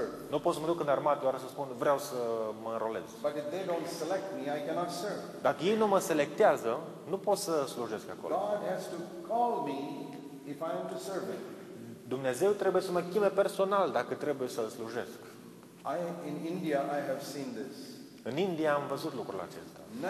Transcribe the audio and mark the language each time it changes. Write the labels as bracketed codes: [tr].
[ro] Nu pot să mă duc în armată doar să spun vreau să mă înrolez. [en] But if they don't select me, I cannot serve. [ro] Dacă ei nu mă selectează, nu pot să slujesc acolo. [en] God has to call me if I am to serve him. [ro] Dumnezeu trebuie să mă cheme personal dacă trebuie să-l slujesc. [en] In India, I have seen this. [ro] În India am văzut lucrul acesta.